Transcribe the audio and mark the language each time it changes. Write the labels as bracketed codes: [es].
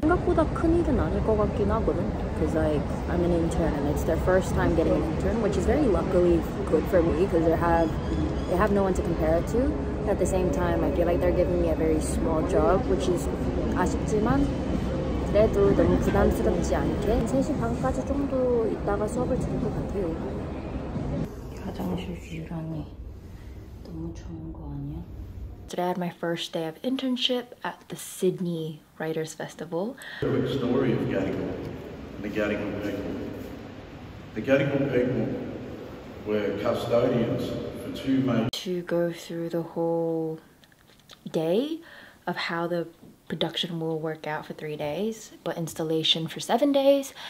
[ko] 생각보다 큰 일은 아닐 것 같긴 하거든. [en] Cause like I'm an intern, and it's their first time getting an intern, which is very luckily good for me, cause they have no one to compare it to. At the same time, I feel like they're giving me a very small job, which is [ko] 아쉽지만 그래도 너무 부담스럽지 않게 3시 반까지 정도 있다가 수업을 들을 것 같아요. 화장실 유리하니 너무 좋은 거 아니야? [en] Today I had my first day of internship at the Sydney Writers Festival. The story of Gadigal and the Gadigal people. The Gadigal people were custodians for two main... To go through the whole day of how the production will work out for 3 days, but installation for 7 days.